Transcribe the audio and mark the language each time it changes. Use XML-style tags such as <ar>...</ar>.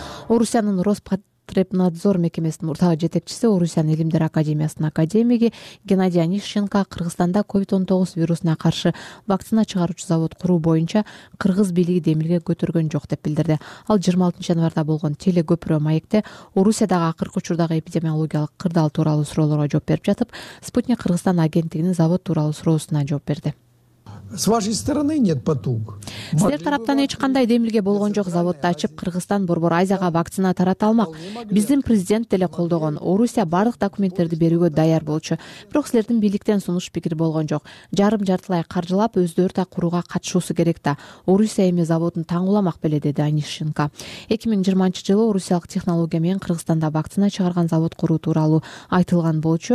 <ky>Орусиянын Роспотребнадзор мекемесинин мурдагы жетекчиси Орусиянын Илимдер Академиясынын академиги Геннадий Анищенко Кыргызстанда COVID-19 вирусуна каршы вакцина чыгаруучу завод куруу боюнча кыргыз бийлиги демилге көтөргөн жок деп билдирди. Ал 26 январда болгон телекөпүрө маекте Орусиядагы акыркы учурдагы эпидемиологиялык кырдаал тууралуу суроолорго жооп берип жатып, Спутник Кыргызстан агенттигинин завод тууралуу суроосуна жооп берди.</ky> <ru>С вашей стороны нет потуг.</ru> <ky>Силер тараптан эч кандай демилге болгон жок заводду ачып, Кыргызстан борбор Азияга вакцина тарата алмак. Биздин президент деле колдогон Орусия бардык документтерди берүүгө даяр болчу. Бирок силердин бийликтен сунуш пикир болгон жок. Жарым жартылай каржылап өздөрү да курууга катышуусу керек да. Орусия эми заводун таңуламак беле, деди Анищенко. 2020-жылы орусиялык технология менен Кыргызстанда вакцина чыгарган завод куруу тууралуу айтылган болчу.</ky>